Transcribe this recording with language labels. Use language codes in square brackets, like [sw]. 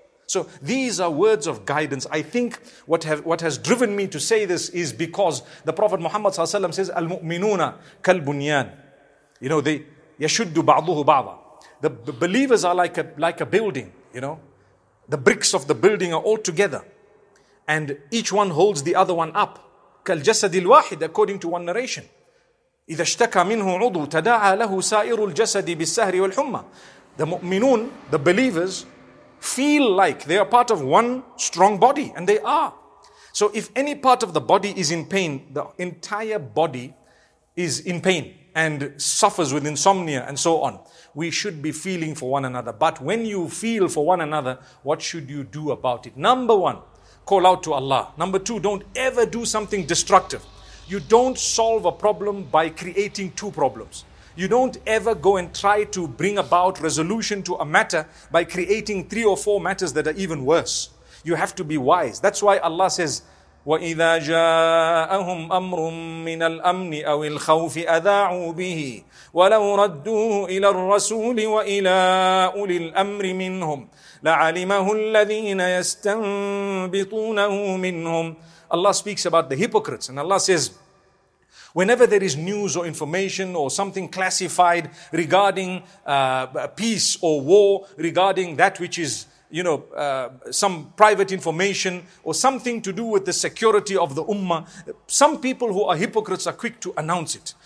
[en] So these are words of guidance. I think what has driven me to say this is because the Prophet Muhammad ﷺ says, [ar] Al-mu'minuna kal-bunyan. [en] You know, they [ar] yashuddu ba'duhu ba'da. [en] The believers are like a building, you know. The bricks of the building are all together. And each one holds the other one up. [ar] كالجسد الواحد, [en] according to one narration. [ar] إذا اشتكى منه عضو تداعى له سائر الجسد بالسهر والحمى. [en] The mu'minun, the believers, feel like they are part of one strong body, and they are. So if any part of the body is in pain, the entire body is in pain and suffers with insomnia and so on. We should be feeling for one another. But when you feel for one another, what should you do about it? Number one, call out to Allah. Number two, don't ever do something destructive. You don't solve a problem by creating two problems. You don't ever go and try to bring about resolution to a matter by creating three or four matters that are even worse. You have to be wise. That's why Allah says, [ar] وَإِذَا جَاءَهُمْ أَمْرٌ مِّنَ الْأَمْنِ أَوِ الْخَوْفِ أَذَاعُوا بِهِ وَلَوْ رَدُّوهُ إِلَى الرَّسُولِ وَإِلَى أُولِي الْأَمْرِ مِنْهُمْ لَعَلِمَهُ الَّذِينَ يَسْتَنْبِطُونَهُ مِنْهُمْ. [en] Allah speaks about the hypocrites, and Allah says, whenever there is news or information or something classified regarding peace or war, regarding that which is, you know, some private information or something to do with the security of the ummah, some people who are hypocrites are quick to announce it.